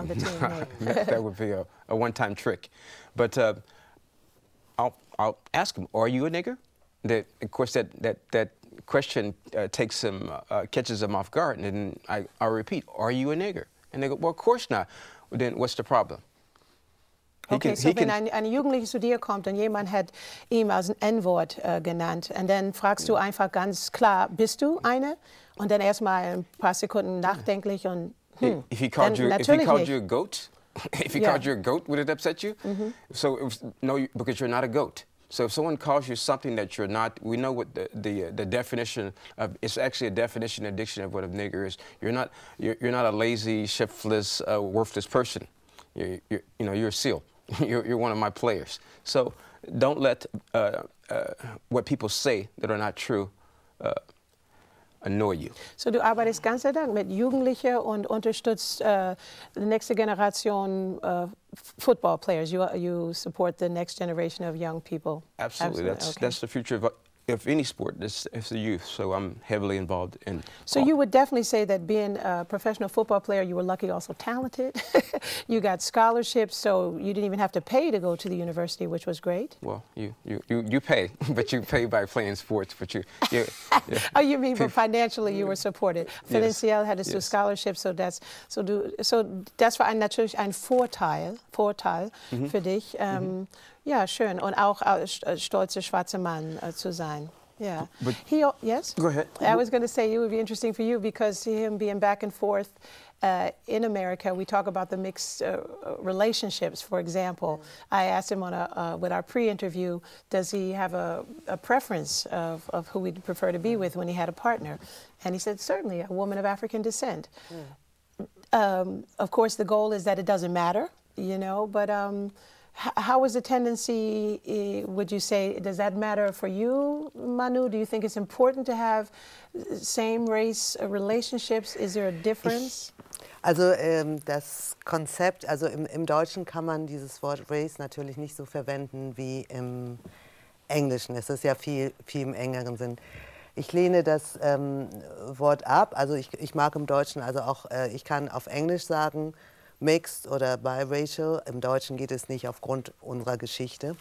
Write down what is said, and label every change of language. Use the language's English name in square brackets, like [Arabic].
[English] On the team. That would be a one-time trick, but. I'll ask him, "Are you a nigger?" Of course, that question catches them off guard, and I repeat, "Are you a nigger?" And they go, "Well, of course not." Well, then what's the problem? [German] Wenn ein Jugendlicher zu dir kommt und jemand hat ihm als N-Wort genannt, und dann fragst du einfach ganz klar, "Bist du eine?" Und dann erstmal ein paar Sekunden nachdenklich und [English] If he called you a goat. If he called you a goat, would it upset you? Mm-hmm. So, because you're not a goat. So if someone calls you something that you're not, we know what the definition of, it's actually a definition and dictionary of what a nigger is. You're not a lazy, shiftless, worthless person. You're a SEAL. You're one of my players. So don't let what people say that are not true annoy you. So du arbeitest ganze Tag mit Jugendlichen und unterstützt die nächste Generation Football Players. You support the next generation of young people. Absolutely. That's the future of any sport. It's the youth. So I'm heavily involved in. So you would definitely say that being a professional football player, you were lucky, also talented. You got scholarships, so you didn't even have to pay to go to the university, which was great. Well, you pay, but you pay by playing sports. But Oh, you mean, but financially you were supported. Yes. Financial had a scholarship, so [German] das war natürlich ein Vorteil für dich. Ja, schön. Und auch stolzer schwarzer Mann zu sein. Yeah. [English] Go ahead. I was going to say it would be interesting for you because him being back and forth in America, we talk about the mixed relationships, for example. Mm-hmm. I asked him with our pre-interview, does he have a preference of who he'd prefer to be with when he had a partner? And he said, certainly, a woman of African descent. Mm-hmm. Of course, the goal is that it doesn't matter, you know, but... how is the tendency, would you say, does that matter for you, Manu? Do you think it's important to have same race relationships? Is there a difference? [German] Das Konzept, also im Deutschen kann man dieses Wort race natürlich nicht so verwenden wie im Englischen. Es ist ja viel, viel im engeren Sinn. Ich lehne das Wort ab. Also ich mag im Deutschen, also auch ich kann auf Englisch sagen, mixed oder biracial, im Deutschen geht es nicht aufgrund unserer Geschichte.